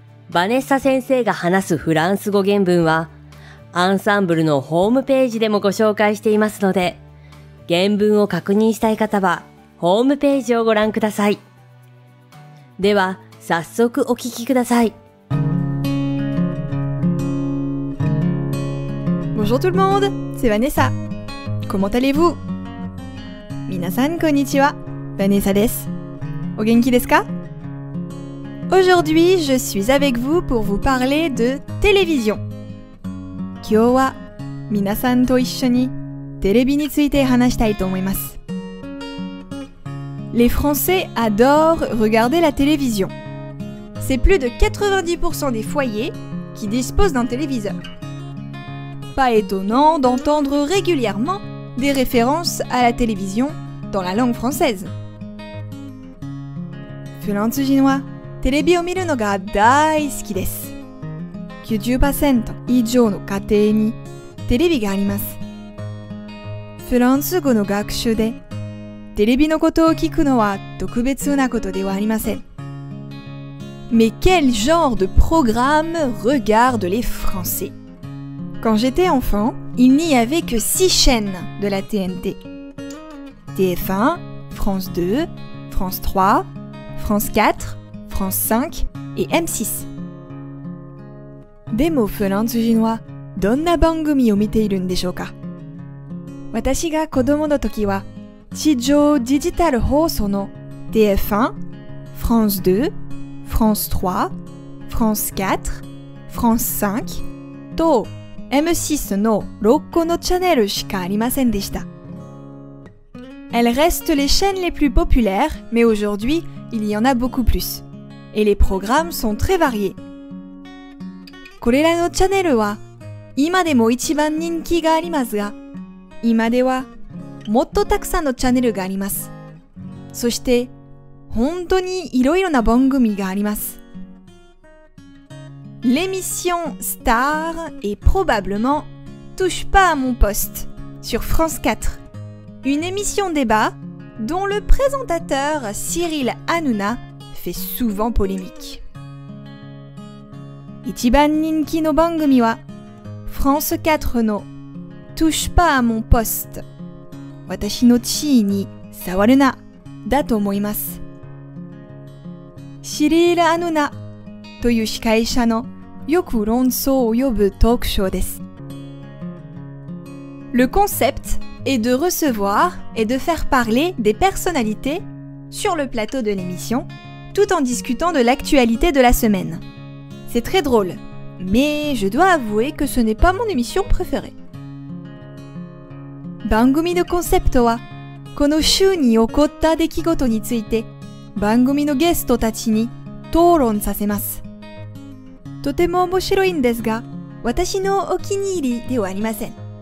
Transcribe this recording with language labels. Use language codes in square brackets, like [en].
[ja] バネッサ先生が話すフランス語原文はアンサンブルのホームページでもご紹介していますので、原文を確認したい方はホームページをご覧ください。では早速お聞きください。 [fr] Bonjour tout le monde, c'est Vanessa. Comment allez-vous? [ja] 皆さんこんにちは、Vanessa です。お元気ですか? [fr] Aujourd'hui, je suis avec vous pour vous parler de télévision. [ja] 今日は皆さんと一緒にテレビについて話したいと思います。 [fr] Les Français adorent regarder la télévision. C'est plus de 90% des foyers qui disposent d'un téléviseur. Pas étonnant d'entendre régulièrement des références à la télévision dans la langue française. [ja] フランス人はテレビを見るのが大好きです。 90% 以上の家庭にテレビがあります。フランス語の学習でテレビのことを聞くのは特別なことではありません。 [fr] Mais quel genre de programme regardent les Français? Quand j'étais enfant, il n'y avait que 6 chaînes de la TNT. TF1, France 2, France 3, France 4, France 5 et M6. [ja] でもフランス人はどんな番組を見ているんでしょうか? 私が子供の時は地上デジタル放送の TF1、France 2、France 3、France 4、France 5と M6 の6個のチャンネルしかありませんでした。 [fr] Elles restent les chaînes les plus populaires, mais aujourd'hui, il y en a beaucoup plus. Et les programmes sont très variés. [ja] これらのチャンネルは今でも一番人気がありますが、今ではもっとたくさんのチャンネルがあります。そして、本当にいろいろな番組があります。 [fr] L'émission Star est probablement Touche pas à mon poste sur France 4. Une émission débat dont le présentateur Cyril Hanouna fait souvent polémique. [ja] 一番人気の番組は France 4の Touche pas à mon poste。私の地位に触るな、だと思います。シリール・アヌナという司会者のよく論争を呼ぶトークショーです。 [fr] Le concept est de recevoir et de faire parler des personnalités sur le plateau de l'émission tout en discutant de l'actualité de la semaine. C'est très drôle, mais je dois avouer que ce n'est pas mon émission préférée. [ja] 番組のコンセプトは、この週に起こった出来事について、番組のゲストたちに討論させます。とても面白いんですが、私のお気に入りではありません。